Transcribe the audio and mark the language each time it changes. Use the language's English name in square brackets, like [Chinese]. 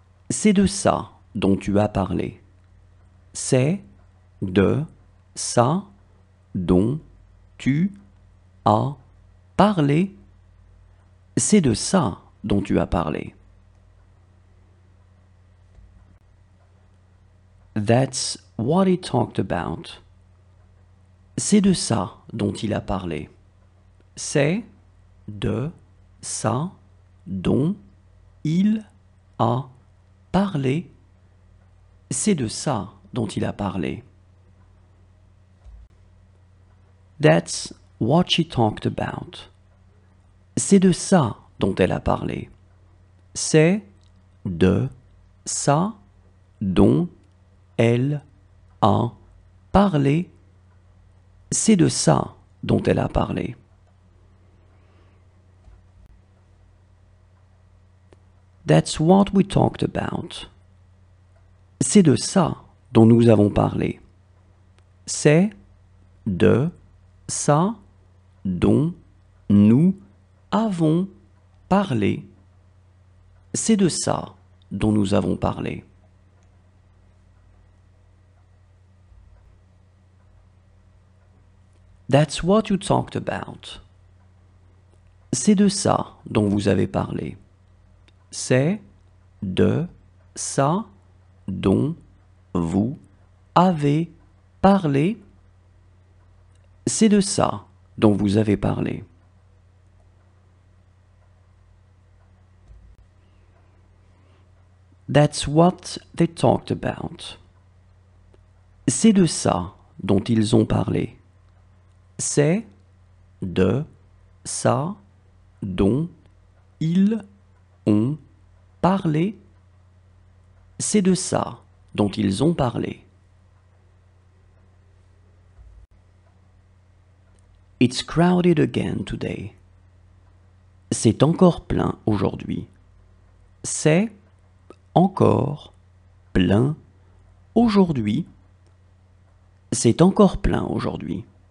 [French] C'est de ça dont tu as parlé. C'est de ça dont tu as parlé. C'est de ça dont tu as parlé. [English] That's what he talked about. [French] C'est de ça dont il a parlé. C'est de ça dont il a parlé. C'est de ça dont il a parlé. [English] That's what she talked about. [French] C'est de ça dont elle a parlé. C'est de ça dont elle a parlé. C'est de ça dont elle a parlé. [English] That's what we talked about. [French] C'est de ça dont nous avons parlé. C'est de ça dont nous avons parlé. C'est de ça dont nous avons parlé. [English] That's what you talked about. [French] C'est de ça dont vous avez parlé. C'est de ça dont vous avez parlé. C'est de ça dont vous avez parlé. [English] That's what they talked about. [French] C'est de ça dont ils ont parlé. C'est de ça dont ils ont parlé. C'est de ça dont ils ont parlé. [English] It's crowded again today. [French] C'est encore plein aujourd'hui. C'est encore plein aujourd'hui. C'est encore plein aujourd'hui.